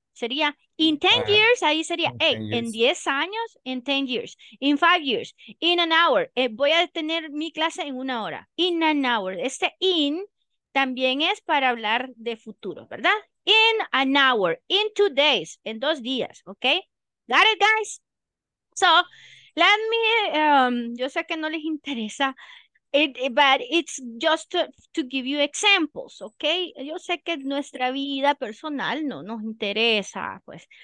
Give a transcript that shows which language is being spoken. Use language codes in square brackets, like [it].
[es] Sería, [en] in 10 years, [es] ahí sería, en 10 años, [en] in 10 years, in 5 years, in an hour, [es] voy a tener mi clase en una hora, [en] in an hour, [es] este in también es para hablar de futuro, ¿verdad? [en] In an hour, in 2 days, [es] en 2 días, [en] ¿ok? Got it, guys? So, let me, [es] yo sé que no les interesa, [en] but it's just to give you examples, okay? [es] Yo sé que nuestra vida personal no nos interesa, pues.